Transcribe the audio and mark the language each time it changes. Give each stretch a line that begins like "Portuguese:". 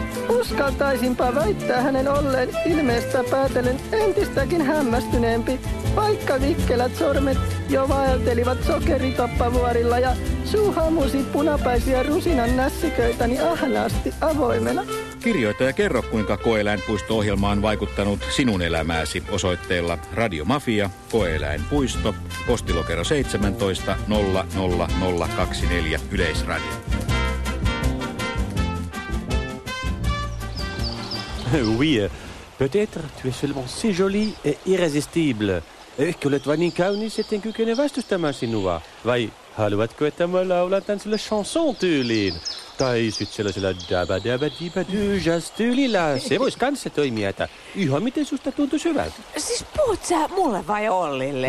Finnish: Uskaltaisinpa väittää hänen olleen ilmeestä päätellen entistäkin hämmästyneempi, vaikka vikkelät sormet jo vaeltelivat sokeritoppavuorilla ja suu hamusi punapäisiä rusinan nässiköitäni ahnaasti avoimena. Kirjoita ja kerro, kuinka koe-eläinpuisto-ohjelma on vaikuttanut sinun elämääsi osoitteella Radio Mafia, Koe-eläinpuisto, postilokero 17 00024 Yleisradio.
French: Oui, peut-être tu es seulement si jolie et irrésistible.
Finnish: Ehkä olet vain niin kaunis, etten kykene vastustamaan sinua. Vai haluatko, että mä laulan tän sulle chanson tyyliin? Tai sit sellaisella dabadabadibadujas-tyylillä. Se vois kanssa toimia, että ihan miten susta tuntuis hyvältä. Siis puhut sä mulle vai Ollille?